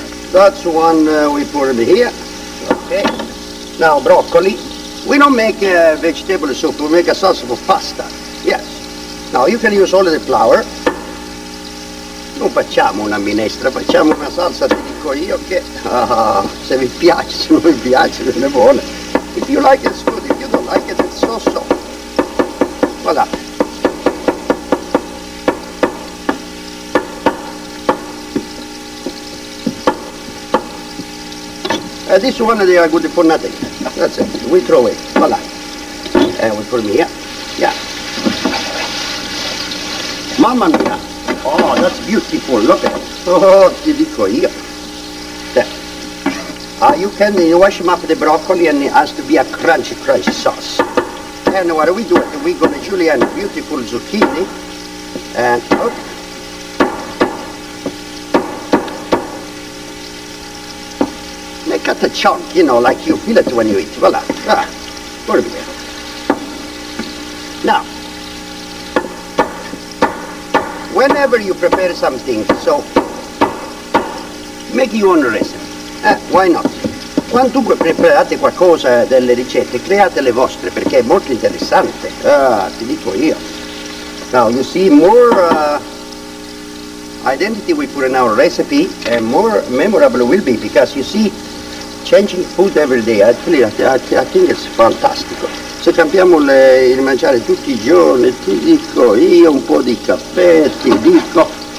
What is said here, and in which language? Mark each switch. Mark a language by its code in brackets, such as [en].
[en] That's one we put in here. Okay. Now broccoli. We don't make vegetable soup, we make a sauce for pasta. Yes. Now you can use all the flour. [it] Non facciamo una minestra, facciamo una salsa, ti dico io che se vi piace, se non vi piace, non è buona. [en] If you like it, it's good. If you don't like it, it's so-so. Voilà. This one, they are good for nothing. That's it. We throw it. Voilà. And we put it here. Yeah. Mamma mia! Oh, that's beautiful, look at it. Oh, [it] ti dico io. [en] You can wash them up the broccoli and it has to be a crunchy, crunchy sauce. And what are we doing? We're gonna julienne beautiful zucchini. And, oh. Make it a chunk, you know, like you feel it when you eat. Voila. Put it here. Now. Whenever you prepare something, so make your own recipe. Why not? [it] Quantunque preparate qualcosa delle ricette, create le vostre perché è molto interessante. Ti dico io. [en] Now you see more identity we put in our recipe and more memorable will be because you see changing food every day. Actually, I think it's fantastico. [it] Se cambiamo il mangiare tutti i giorni, ti dico io un po' di caffè, ti dico.